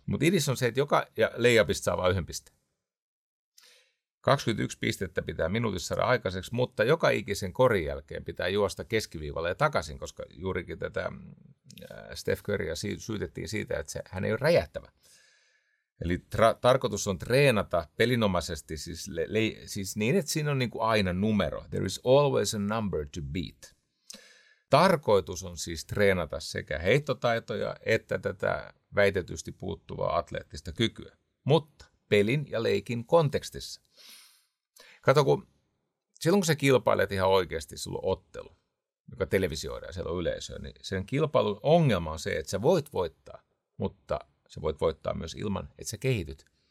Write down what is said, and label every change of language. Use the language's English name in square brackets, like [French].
[Finnish] Mutta idis on se, että joka layupista saa vain yhden pisteen. 21 pistettä pitää minuutissa saada aikaiseksi, mutta joka ikisen korin jälkeen pitää juosta keskiviivalle ja takaisin, koska juurikin tätä Steph Curryä syytettiin siitä, että se, hän ei ole räjähtävä. Eli tarkoitus on treenata pelinomaisesti siis niin, että siinä on niin kuin aina numero. [English] There is always a number to beat. [Finnish] Tarkoitus on siis treenata sekä heittotaitoja että tätä väitetysti puuttuvaa atleettista kykyä, mutta pelin ja leikin kontekstissa. Kato, kun silloin kun sä kilpailet ihan oikeasti, sulla on ottelu, joka televisioidaan ja siellä on yleisö, niin sen kilpailun ongelma on se, että sä voit voittaa, mutta sä voit voittaa myös ilman, että sä kehityt.